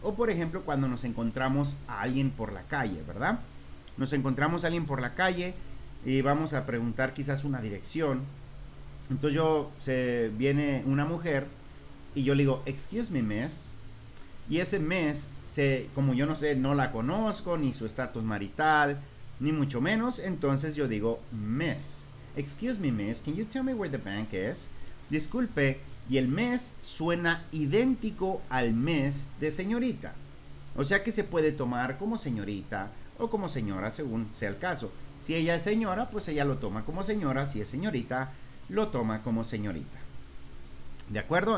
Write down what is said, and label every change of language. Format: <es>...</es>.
<es>O por ejemplo, cuando nos encontramos a alguien por la calle, ¿verdad? Nos encontramos a alguien por la calle y vamos a preguntar quizás una dirección. Entonces se viene una mujer y yo le digo,</es> <en>excuse me, miss.</en> <es>Y ese miss, como yo no sé, no la conozco, ni su estatus marital, ni mucho menos. Entonces yo digo,</es> <en>miss, excuse me, miss, can you tell me where the bank is?</en> <es>Disculpe. Y el miss suena idéntico al miss de señorita. O sea que se puede tomar como señorita o como señora, según sea el caso. Si ella es señora, pues ella lo toma como señora. Si es señorita, lo toma como señorita. ¿De acuerdo?</es>